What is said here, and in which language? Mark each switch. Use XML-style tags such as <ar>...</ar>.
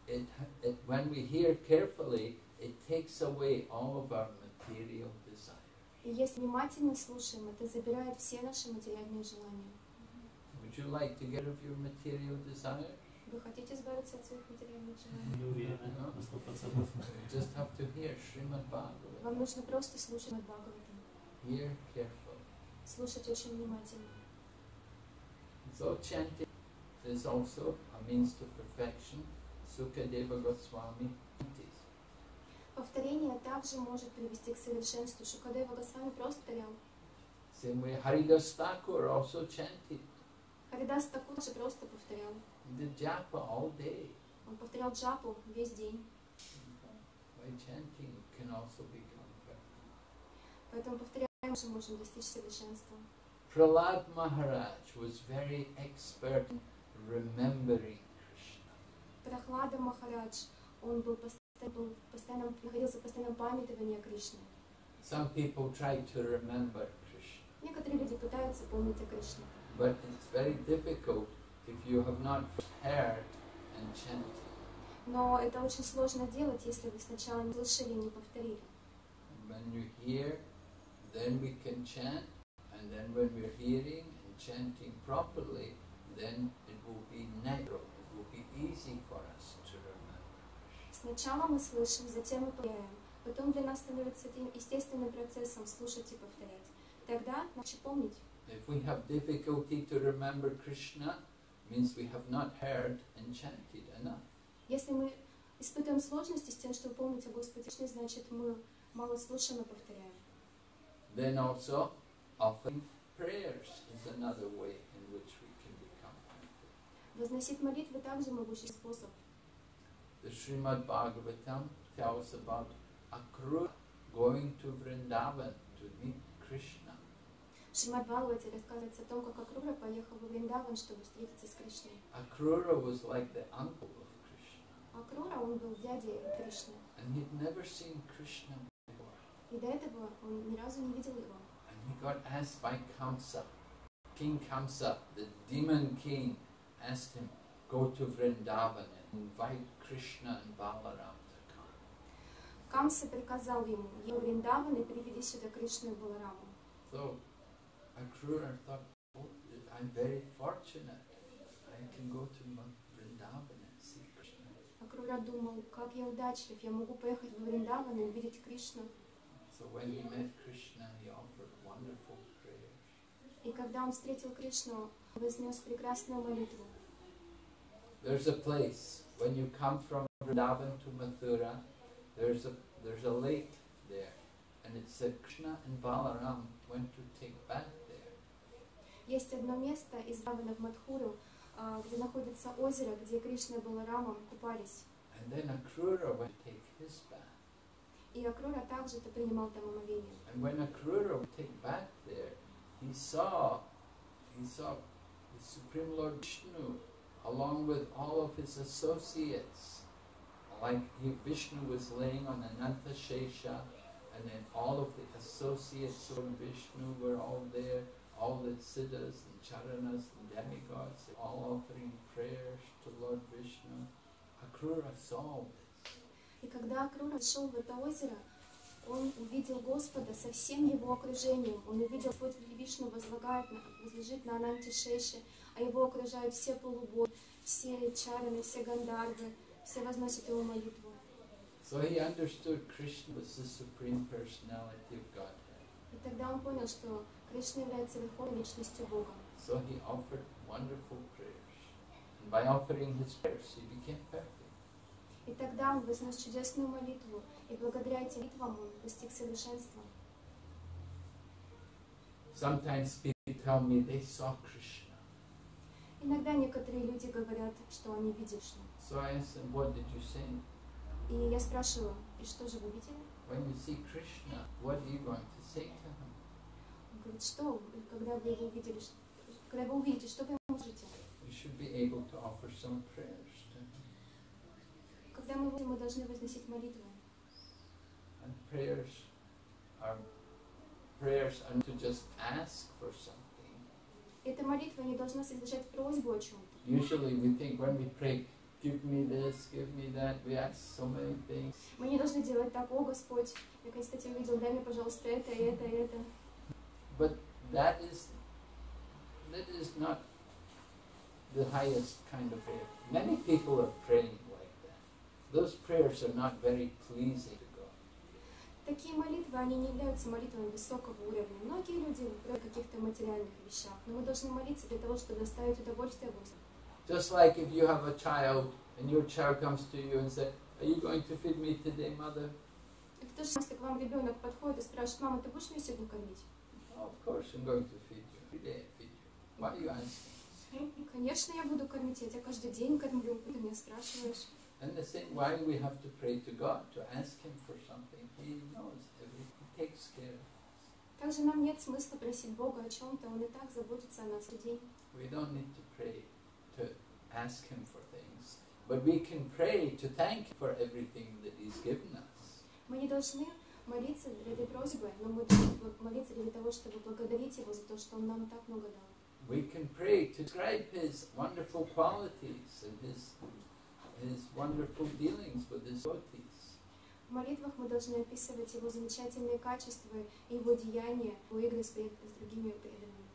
<en>It when we hear carefully, it takes away all of our material desires.</en> <ru>И если внимательно слушаем, это забирает все наши материальные желания.</ru> <en>Would you like to get rid of your material desires?</en> <ru>Вы хотите избавиться от своих материальных желаний? Не уверен,</ru> <en>no. Just have to hear Srimad Bhagavatam.</en> <ru>Вам нужно просто слушать Srimad Bhagavatam.</ru> <en>Hear carefully.</en> <ru>Слушать очень внимательно.</ru> <en>So chanting is also a means to perfection. Sukadeva Goswami.</en> <ru>Повторение также может привести к совершенству. Шукадева Госвами просто повторял.</ru> <en>Same way, Haridas Thakur also chanted.</en> <ru>Haridas Thakur же просто повторял.</ru> <en>He did japa all day.</en> <ru>Он повторял джапу весь день.</ru> <en>By chanting can also become perfect.</en> <ru>Поэтому повторяем, что можем достичь совершенства.</ru> <en>Prahlad Maharaj was very expert in remembering Krishna.</en> <ru>Прохлада Махарадж, он был постоянно памятование Кришны.</ru> <en>Some people try to remember Krishna.</en> <ru>Некоторые люди пытаются помнить о Кришне.</ru> <en>But it's very difficult if you have not heard and chanted.</en> <ru>Но это очень сложно делать, если вы сначала не слышали и не повторили.</ru> <en>When you hear, then we can chant, and then when we're hearing and chanting properly, then it will be natural, it will be easy for us.</en> <ru>Сначала мы слышим, затем мы повторяем. Потом для нас становится этим естественным процессом слушать и повторять. Тогда начнем помнить.</ru> <en>If we have difficulty to remember Krishna, means we have not heard and chanted enough.</en> <ru>Если мы испытываем сложности с тем, чтобы помнить о Господе Кришне, значит мы мало слушаем и повторяем.</ru> <en>Then also offering prayers is another way in which we can become perfect.</en> <ru>Возносить молитвы также могущий способ.</ru> <en>The Srimad Bhagavatam tells about Akrura going to Vrindavan to meet Krishna.</en> <ru>Srimad Bhagavatam рассказывается о том, как Акрура поехал в Вриндаван, чтобы встретиться с Кришной.</ru> <en>Akrura was like the uncle of Krishna.</en> <ru>Акрура, он был дядей Кришны.</ru> <en>And he'd never seen Krishna before.</en> <ru>И до этого он ни разу не видел его.</ru> <en>And he got asked by Kamsa. King Kamsa, the demon king, asked him, go to Vrindavan and invite Krishna and Balaram to come.</en> <ru>Камса приказал ему, я в Вриндаван и приведи сюда Кришну и Балараму.</ru> <en>So, Акрура thought, oh, I'm very fortunate. I can go to Vrindavan and see Krishna.</en> <ru>Крура думал, как я удачлив, я могу поехать в Вриндаван и увидеть Кришну.</ru> <en>So when he met Krishna, he offered wonderful prayers.</en> <ru>И когда он встретил Кришну, он вознес прекрасную молитву.</ru> <en>There's a place, when you come from Vrindavan to Mathura, there's a lake there. And it said Krishna and Balaram went to take bath there.</en> <ru>Есть одно место из Вриндавана в Матхуру, где находится озеро, где Кришна и Баларама купались.</ru> <en>And then Акрура went to take his bath.</en> <ru>И Акрура также принимал там омовение.</ru> <en>And when Акрура went to take bath there, he saw the Supreme Lord Vishnu along with all of his associates. Like Vishnu was laying on Ananta Shesha, and then all of the associates of Vishnu were all there, all the siddhas and charanas and demigods, all offering prayers to Lord Vishnu. Akrura saw this.</en> <ru>И когда Акрура пришел в это озеро, он увидел Господа со всем его окружением. Он увидел, что Господь Вишну возлежит на Ананте Шеше, а его окружают все полубоги, все чараны, все гандхарвы, все возносят его молитву.</ru> <en>So he understood Krishna was the Supreme Personality of Godhead.</en> <ru>И тогда он понял, что Кришна является Верховной Личностью Бога.</ru> <en>So he offered wonderful prayers. And by offering his prayers, he became perfect.</en> <ru>И тогда он вознес чудесную молитву, и благодаря этим молитвам он достиг совершенства.</ru> <en>Sometimes people tell me they saw Krishna.</en> <ru>Иногда некоторые люди говорят, что они видели Кришну.</ru> <en>So I ask them, what did you see?</en> <ru>И я спрашиваю, и что же вы видели?</ru> <en>When you see Krishna, what are you going to say to him?</en> <ru>Он говорит, что, когда вы увидите, что вы ему можете?</ru> <en>You should be able to offer some prayers to him.</en> <ru>Когда мы будем, мы должны возносить молитвы.</ru> <en>And prayers are to just ask for something.</en> <ru>Эта молитва не должна содержать просьбу о чем-то.</ru> <en>Usually we think when we pray, give me this, give me that, we ask so many things.</en> <ru>Мы не должны делать так, о Господь, я, кстати, увидел, дай мне, пожалуйста, это, и это, и это.</ru> <en>But that is not the highest kind of prayer. Many people are praying like that. Those prayers are not very pleasing to God.</en> <ru>Такие молитвы, они не являются молитвами высокого уровня. Многие люди просят о каких-то материальных вещах, но мы должны молиться для того, чтобы доставить удовольствие Господу.</ru> <en>Just like if you have a child and your child comes to you and says, "Are you going to feed me today, mother?"</en> <ru>Это же как вам ребёнок подходит и спрашивает: "Мама, ты будешь меня сегодня кормить?"</ru> <en>Of course, I'm going to feed you. Every day I feed you. Why are you asking?</en> <ru>Конечно, я буду кормить. Я тебя каждый день кормлю. Ты меня спрашиваешь.</ru> <en>And the same, why we have to pray to God to ask Him for something? He knows everything. He takes care of us.</en> <ru>Также нам нет смысла просить Бога о чем-то. Он и так заботится о нас в день.</ru> <en>We don't need to pray to ask Him for things, but we can pray to thank Him for everything that He's given us.</en> <ru>Мы не должны молиться ради просьбы, но мы должны молиться для того, чтобы благодарить Его за то, что Он нам так много дал.</ru> <en>We can pray to describe His wonderful qualities and His wonderful dealings with His devotees.</en> <ru>В молитвах мы должны описывать Его замечательные качества и Его деяния, Его игры с другими преданными.</ru>